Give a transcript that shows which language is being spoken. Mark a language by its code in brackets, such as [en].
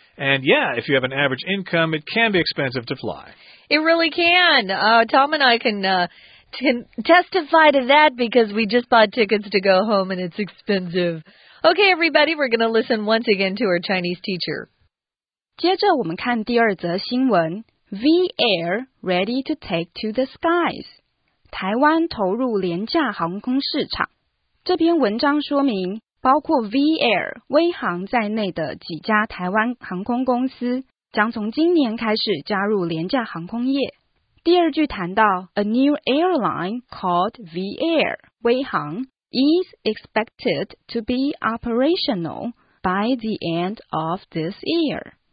[en] And, yeah, if you have an average income, it can be expensive to fly. It really can. Tom and I can testify to that because we just bought tickets to go home and it's expensive. Okay, everybody, we're going to listen once again to our Chinese teacher. [zh] 接着我们看第二则新闻。 [en] V Air ready to take to the skies. [zh] 台湾投入廉价航空市场。这篇文章说明，包括 V Air 微航在内的几家台湾航空公司将从今年开始加入廉价航空业。第二句谈到 [en] A new airline called V Air 微航 is expected to be operational by the end of this year.